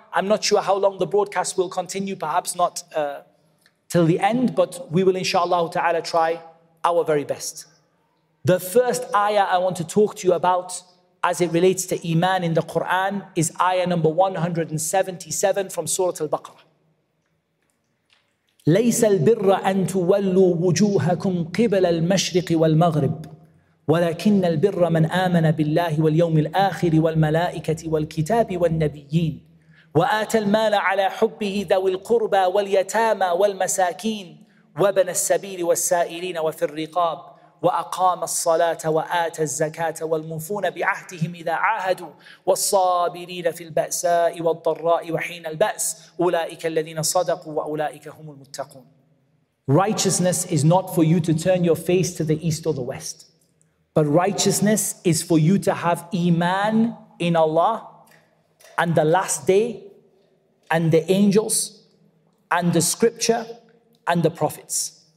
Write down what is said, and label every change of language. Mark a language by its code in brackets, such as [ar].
[en] I'm not sure how long the broadcast will continue, perhaps not till the end, but we will, inshallah ta'ala, try our very best. The first ayah I want to talk to you about as it relates to Iman in the Quran is ayah number 177 from Surah Al-Baqarah. [ar] لَيْسَ الْبِرَّ أَن تُوَلُّوا وُجُوهَكُمْ قِبَلَ الْمَشْرِقِ وَالْمَغْرِبِ وَلَكِنَّ الْبِرَّ مَنْ آمَنَ بِاللَّهِ وَالْيَوْمِ الْآخِرِ وَالْمَلَائِكَةِ وَالْكِتَابِ وَالنَّبِيِّينَ وَآتَى الْمَالَ عَلَى حُبِّهِ ذَوِي الْقُرْبَى وَالْيَتَامَى وَالْمَسَاكِينَ وَابْنَ السَّبِيلِ وَالسَّائِلِينَ وَفِي الرِّقَابِ وأقام الصلاة وآتى الزكاة والموفون بعهدهم إذا عاهدوا والصابرين في البأساء والضراء وحين البأس أولئك الذين صدقوا وأولئك هم المتقون. [en] Righteousness is not for you to turn your face to the east or the west, but righteousness is for you to have iman in Allah and the last day and the angels and the scripture and the prophets.